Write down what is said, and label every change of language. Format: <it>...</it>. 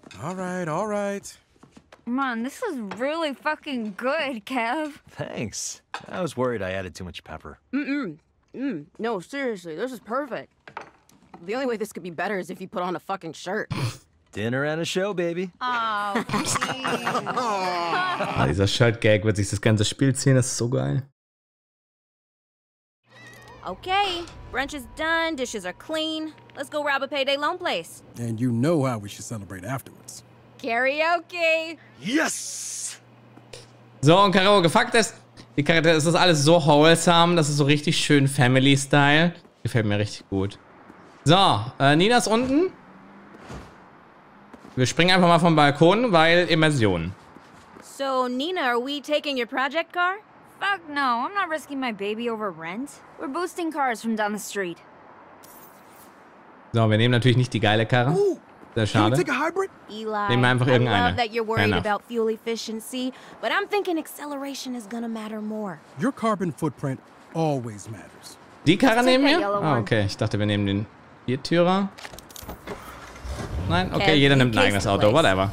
<en>All right, all right. Man, this is really fucking good, Kev. Thanks. I was worried I added too much pepper. No, seriously, this is perfect. The only way this could be better is if you put on a fucking shirt. Dinner and a show, baby. Oh, please.</en> <de>Dieser Shirt-Gag wird sich das ganze Spiel ziehen, das ist so geil.</de> <en>Okay, brunch is done, dishes are clean. Let's go rob a payday loan place. And you know how we should celebrate afterwards. Karaoke! Yes!</en> <de>So, und Karaoke, Fakt ist, die Charaktere, es ist alles so wholesome, das ist so richtig schön Family-Style. Gefällt mir richtig gut. So, Nina ist unten. Wir springen einfach mal vom Balkon, weil Immersion.</de> <en>So, Nina, are we taking your project car? Fuck no, I'm not risking my baby over rent. We're boosting cars from down the street.</en> <de>So, wir nehmen natürlich nicht die geile Karre. Sehr schade. Nehmen wir einfach irgendeine.</de> <en>I love that you're worried about fuel efficiency, but I'm thinking acceleration is gonna matter more. Your carbon footprint always matters.</en> <de>Die Karre nehmen wir? Ah, okay. Ich dachte, wir nehmen den Viertürer. Nein? Okay, jeder nimmt ein eigenes Auto. Whatever.</de>